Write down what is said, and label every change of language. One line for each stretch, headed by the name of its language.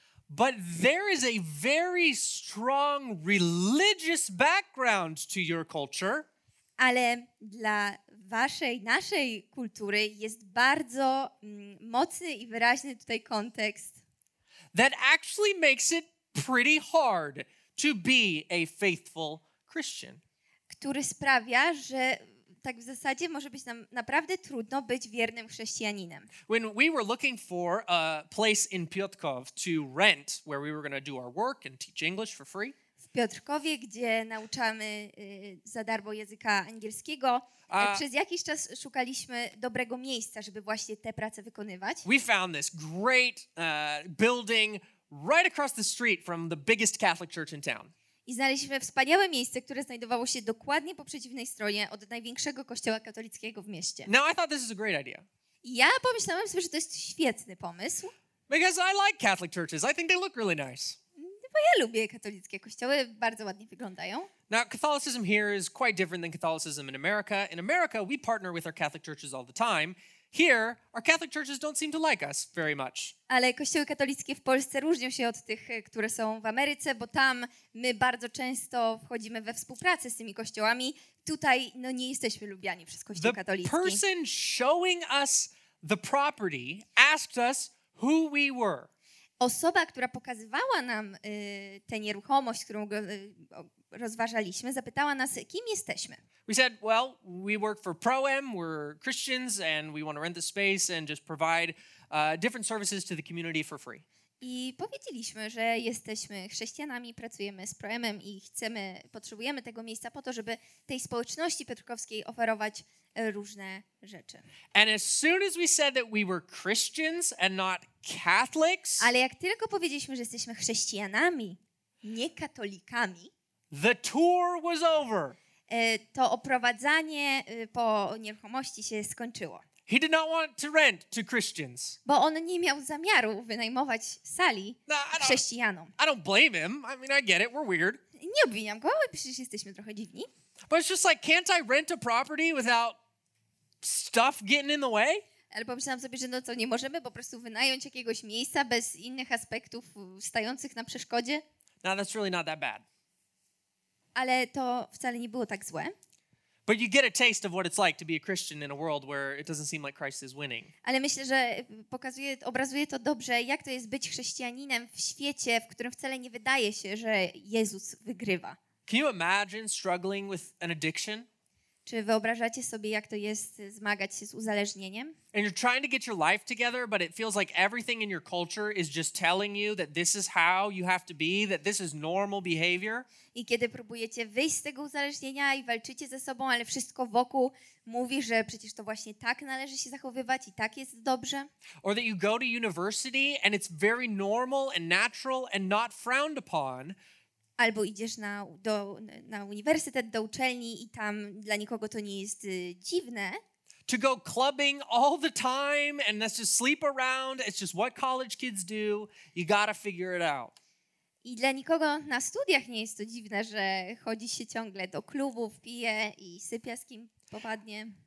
English: But there is a very strong religious background to your culture.
Polish: Ale dla waszej, naszej kultury jest bardzo mocny i wyraźny tutaj kontekst.
English: That actually makes it pretty hard to be a faithful Christian.
Polish: Który sprawia, że tak w zasadzie może być nam naprawdę trudno być wiernym chrześcijaninem.
English: When we were looking for a place in Piotrków to rent, where we were going to do our work and teach English for free.
Polish: W Piotrkowie, gdzie nauczamy za darmo języka angielskiego. Przez jakiś czas szukaliśmy dobrego miejsca, żeby właśnie te prace wykonywać.
English: We found this great building right across the street from the biggest Catholic church in town.
Polish: I znaleźliśmy wspaniałe miejsce, które znajdowało się dokładnie po przeciwnej stronie od największego kościoła katolickiego w mieście.
English: Now I thought this is a great idea.
Polish: Ja pomyślałem sobie, że to jest świetny pomysł.
English: Because I like Catholic churches. I think they look really nice.
Polish: Bo ja lubię katolickie kościoły, bardzo ładnie wyglądają.
English: Now, Catholicism here is quite different than Catholicism in America. In America, we partner with our Catholic churches all the time. Here, our Catholic churches don't seem to like us very much.
Polish: Ale kościoły katolickie w Polsce różnią się od tych, które są w Ameryce, bo tam my bardzo często wchodzimy we współpracę z tymi kościołami. Tutaj no, nie jesteśmy lubiani przez kościół katolicki.
English: The person showing us the property asked us who we were.
Polish: Osoba, która pokazywała nam tę nieruchomość, którą rozważaliśmy, zapytała nas, kim jesteśmy.
English: We said, well, we work for ProEm, we're Christians, and we want to rent the space and just provide different services to the community for free.
Polish: I powiedzieliśmy, że jesteśmy chrześcijanami, pracujemy z ProEmem i chcemy, potrzebujemy tego miejsca po to, żeby tej społeczności piotrkowskiej oferować różne rzeczy.
English: And as soon as we said that we were Christians and not Catholics,
Polish: ale jak tylko powiedzieliśmy, że jesteśmy chrześcijanami, nie katolikami,
English: the tour was over.
Polish: To oprowadzanie po nieruchomości się skończyło.
English: He did not want to rent to Christians.
Polish: Bo on nie miał zamiaru wynajmować sali chrześcijanom.
English: I don't blame him. I mean, I get it. We're weird.
Polish: Nie obwiniam go, przecież jesteśmy trochę dziwni.
English: But it's just like, can't I rent a property without stuff getting in the way?
Polish: Ale pomyślałam sobie, że no to nie możemy po prostu wynająć jakiegoś miejsca bez innych aspektów stających na przeszkodzie.
English: No, that's really not that bad.
Polish: Ale to wcale nie było tak złe.
English: But you get a taste of what it's like to be a Christian in a world where it doesn't seem like Christ is winning.
Polish: Ale myślę, że pokazuje, obrazuje to dobrze, jak to jest być chrześcijaninem w świecie, w którym wcale nie wydaje się, że Jezus wygrywa.
English: Can you imagine struggling with an addiction?
Polish: Czy wyobrażacie sobie, jak to jest zmagać się z uzależnieniem?
English: And you're trying to get your life together, but it feels like everything in your culture is just telling you that this is how you have to be, that this is normal behavior.
Polish: I kiedy próbujecie wyjść z tego uzależnienia i walczycie ze sobą, ale wszystko wokół mówi, że przecież to właśnie tak należy się zachowywać i tak jest dobrze.
English: Or that you go to university and it's very normal and natural and not frowned upon.
Polish: Albo idziesz na uniwersytet, do uczelni i tam dla nikogo to nie jest dziwne.
English: To go clubbing all the time and let's just sleep around. It's just what college kids do. You gotta figure it out.
Polish: I dla nikogo na studiach nie jest to dziwne, że chodzi się ciągle do klubów, pije i sypia z kim popadnie.